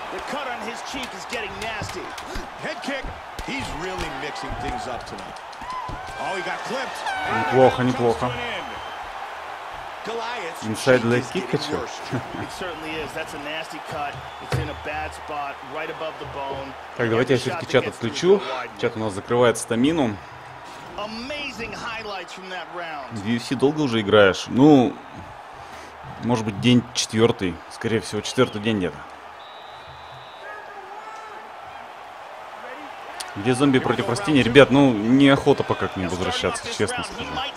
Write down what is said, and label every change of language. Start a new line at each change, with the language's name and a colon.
English: The cut on his cheek is getting nasty. Head kick. He's really mixing things up tonight. Oh, he got clipped.
Russian: Неплохо, неплохо.
English: Goliath. Inside leg kick. It certainly is. That's a nasty cut. It's in a bad spot, right above the bone.
Russian: Так, давайте я все-таки чат отключу. Чат у нас закрывает стамину.
English: Amazing highlights from that round.
Russian: UFC долго уже играешь? Ну, может быть, день четвертый. Скорее всего, четвертый день где-то. Где зомби против растений? Ребят, ну, неохота пока к ним возвращаться, честно скажу.